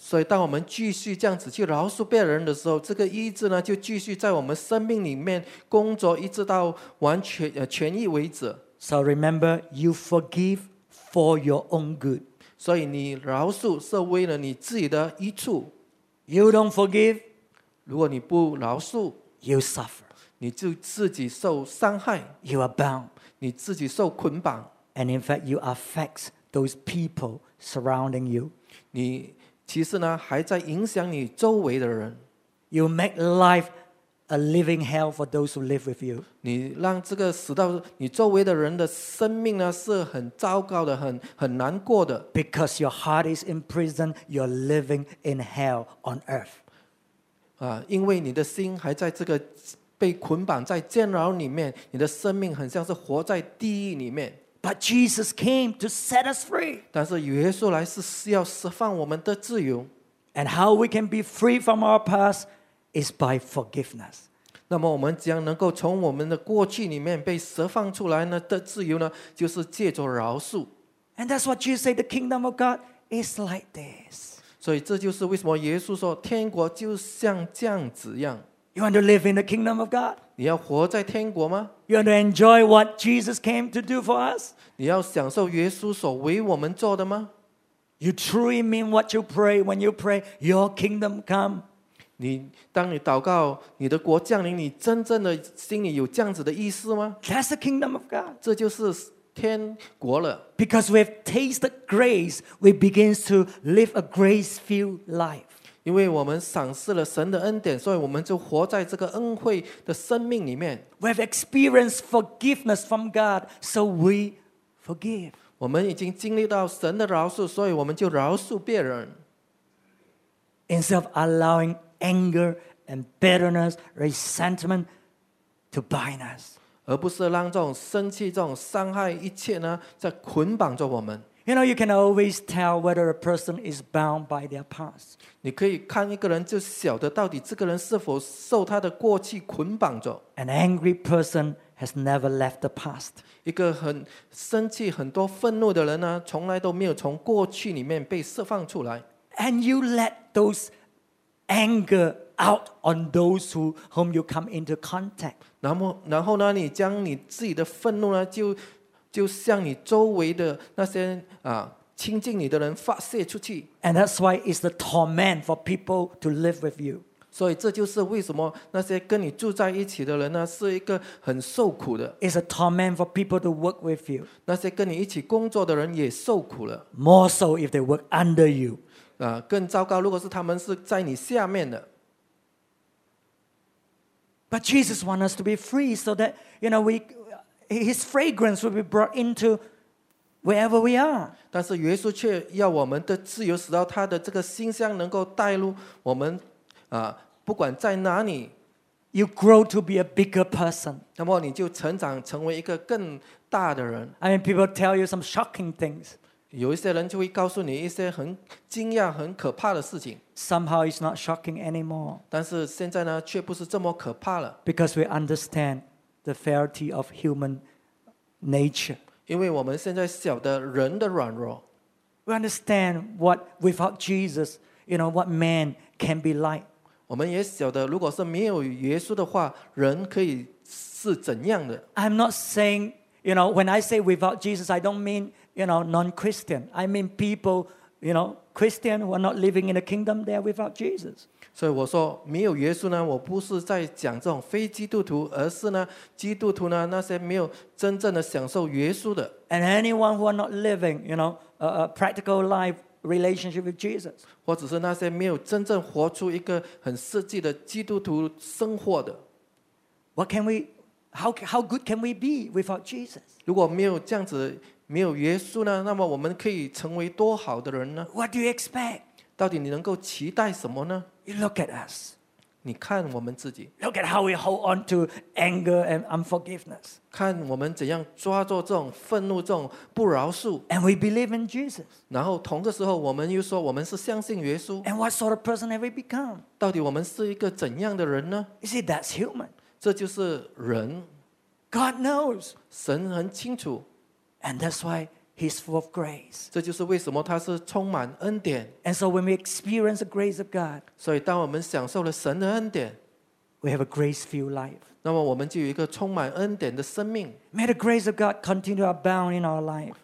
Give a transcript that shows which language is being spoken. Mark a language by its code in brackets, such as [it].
[zh] 所以当我们继续这样子去饶恕别人的时候，这个医治呢，就继续在我们生命里面工作，一直到完全痊愈为止。 [en] So remember, you forgive. For your own good. [zh] 所以你饶恕是为了你自己的益处。 [en] You don't forgive. [zh] 如果你不饶恕， [en] You suffer. [zh] 你就自己受伤害。 [en] You are bound. [zh] 你自己受捆绑。 [en] And in fact, you affect those people surrounding you. [zh] 你其实呢，还在影响你周围的人。 [en] You make life a living hell for those who live with you. [zh] 你让这个死到你周围的人的生命呢是很糟糕的，很难过的。 [en] Because your heart is in prison, you're living in hell on earth. [zh] 因为你的心还在这个被捆绑在监牢里面，你的生命很像是活在地狱里面。 [en] But Jesus came to set us free. [zh] 但是耶稣来是要释放我们的自由。 [en] And how we can be free from our past? Is by forgiveness. [zh] 那么我们怎样能够从我们的过去里面被释放出来呢？的自由呢？就是借着饶恕。 [en] And that's what Jesus said. The kingdom of God is like this. [zh] 所以这就是为什么耶稣说天国就像这样子样。 [en] You want to live in the kingdom of God? [zh] 你要活在天国吗？ [en] You want to enjoy what Jesus came to do for us? [zh] 你要享受耶稣所为我们做的吗？ [en] You truly mean what you pray when you pray, Your kingdom come. [zh] 你当你祷告你的国降临，你真正的心里有这样子的意思吗？ [en] That's the kingdom of God. [zh] 这就是天国了。 [en] Because we have tasted grace, we begin to live a grace-filled life. [zh] 因为我们赏识了神的恩典，所以我们就活在这个恩惠的生命里面。 [en] We have experienced forgiveness from God, so we forgive. [zh] 我们已经经历到神的饶恕，所以我们就饶恕别人。 [en] Instead of allowinganger and bitterness, resentment to bind us. [zh] 而不是让这种生气、这种伤害一切呢，在捆绑着我们。 [en] You know, you can always tell whether a person is bound by their past. [zh] 你可以看一个人就晓得到底这个人是否受他的过去捆绑着。 [en] An angry person has never left the past. [zh] 一个很生气、很多愤怒的人呢，从来都没有从过去里面被释放出来。 [en] And you let those anger out on those who, whom you come into contact. [zh] 然后呢，你将你自己的愤怒呢，就向你周围的那些亲近你的人发泄出去。 [en] And that's why it's the torment for people to live with you. [zh] 所以这就是为什么那些跟你住在一起的人呢，是一个很受苦的。 [en] It's a torment for people to work with you. [zh] 那些跟你一起工作的人也受苦了。 [en] More so if they work under you. [zh] 更糟糕，如果是他们是在你下面的。 [en] But Jesus wants us to be free so that, you know, we, his fragrance will be brought into wherever we are. [zh] 但是耶稣却要我们的自由使到他的这个馨香能够带入我们不管在哪里。 [en] You grow to be a bigger person. [zh] 那么你就成长成为一个更大的人。 [en] I mean, people tell you some shocking things. [zh] 有一些人就会告诉你一些很惊讶很可怕的事情。 [en] Somehow it's not shocking anymore. [zh] 但是现在呢，却不是这么可怕了。 [en] Because we understand the frailty of human nature. [zh] 因为我们现在晓得人的软弱。 [en] We understand what without Jesus, you know, what man can be like. [zh] 我们也晓得，如果是没有耶稣的话，人可以是怎样的。 [en] I'm not saying, you know, when I say without Jesus, I don't mean, you know, non-Christian. I mean people. You know, Christian who are not living in a kingdom there without Jesus. [zh] 所以我说没有耶稣呢，我不是在讲这种非基督徒，而是呢，基督徒呢那些没有真正的享受耶稣的。 [en] And anyone who are not living, you know, a practical life relationship with Jesus. [zh] 或者是那些没有真正活出一个很实际的基督徒生活的。 [en] What can we, how good can we be without Jesus? [zh] 如果没有这样子。没有耶稣呢，那么我们可以成为多好的人呢 [en] ？What do you expect？ [zh] 到底你能够期待什么呢 [en] ？You look at us， [zh] 你看我们自己。 [en] Look at how we hold on to anger and unforgiveness。 [zh] 看我们怎样抓住这种愤怒、这种不饶恕。 [en] And we believe in Jesus。 [zh] 然后同个时候，我们又说我们是相信耶稣。 [en] And what sort of person have we become？ [zh] 到底我们是一个怎样的人呢 [en] ？You see, that's human。 [zh] 这就是人。 [en] God knows。 [zh] 神很清楚。 [en] And that's why he's full of grace. [zh] 这就是为什么他是充满恩典。 [en] And so when we experience the grace of God, [zh] 所以当我们享受了神的恩典， [en] we have a grace-filled life. [zh] 那么我们就有一个充满恩典的生命。 [en] May the grace of God continue to abound in our life.